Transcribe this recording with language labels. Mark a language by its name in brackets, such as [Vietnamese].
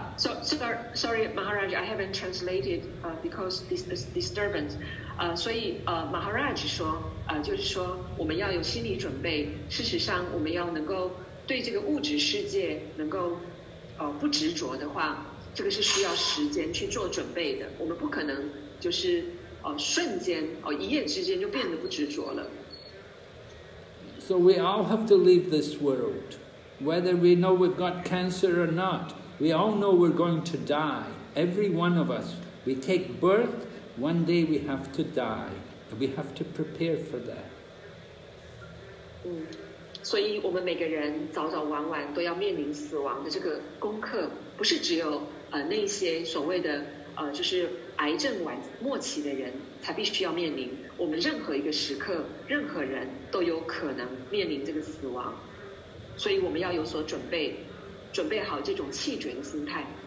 [English] Sorry, Maharaj, I haven't translated because this disturbance. [Chinese] 所以Maharaj 说，就是说我们要有心理准备。事实上，我们要能够对这个物质世界能够不执着的话。这个是需要时间去做准备的，我们不可能就是瞬间一夜之间就变得不执着了。 [English] So we all have to leave this world, whether we know we've got cancer or not. We all know we're going to die. Every one of us, we take birth. One day we have to die, and we have to prepare for that. [Chinese] 所以我们每个人早早晚晚都要面临死亡的这个功课，不是只有。那些所谓的就是癌症末期的人才必须要面临，我们任何一个时刻任何人都有可能面临这个死亡，所以我们要有所准备，准备好这种弃绝的心态。